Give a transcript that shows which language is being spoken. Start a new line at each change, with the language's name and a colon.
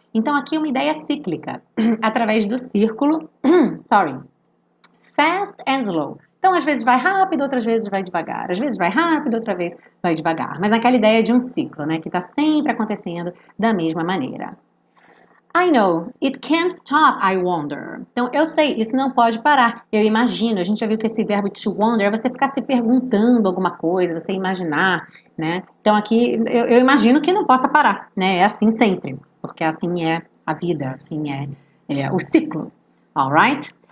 Portuguese: Então, aqui é uma ideia cíclica, através do círculo,
English: sorry, fast and slow.
Portuguese: Então, às vezes vai rápido, outras vezes vai devagar. Às vezes vai rápido, outra vez vai devagar. Mas aquela ideia de um ciclo, né, que está sempre acontecendo da mesma maneira.
English: I know, it can't stop, I wonder.
Portuguese: Então, eu sei, isso não pode parar. Eu imagino, a gente já viu que esse verbo to wonder é você ficar se perguntando alguma coisa, você imaginar, né? Então, aqui, eu imagino que não possa parar, né? É assim sempre, porque assim é a vida, assim é o ciclo, all right?